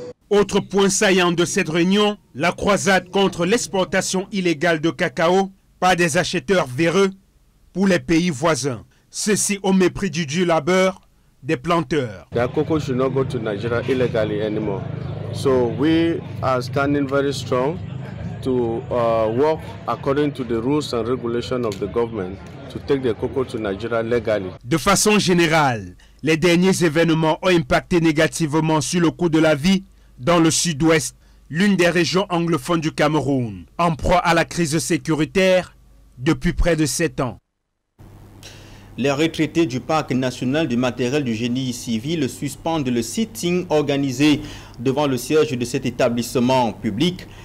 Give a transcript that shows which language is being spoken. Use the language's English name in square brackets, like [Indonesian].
[French] Autre point saillant de cette réunion, la croisade contre l'exportation illégale de cacao par des acheteurs véreux pour les pays voisins. Ceci au mépris du dur labeur des planteurs. [English] The cocoa should not go to Nigeria illegally anymore. So we are standing very strong to work according to the rules and regulations of the government to take the cocoa to Nigeria legally. [French] De façon générale, les derniers événements ont impacté négativement sur le coût de la vie dans le Sud-Ouest, l'une des régions anglophones du Cameroun, en proie à la crise sécuritaire depuis près de 7 ans. Les retraités du Parc national du matériel du génie civil suspendent le sitting organisé devant le siège de cet établissement public.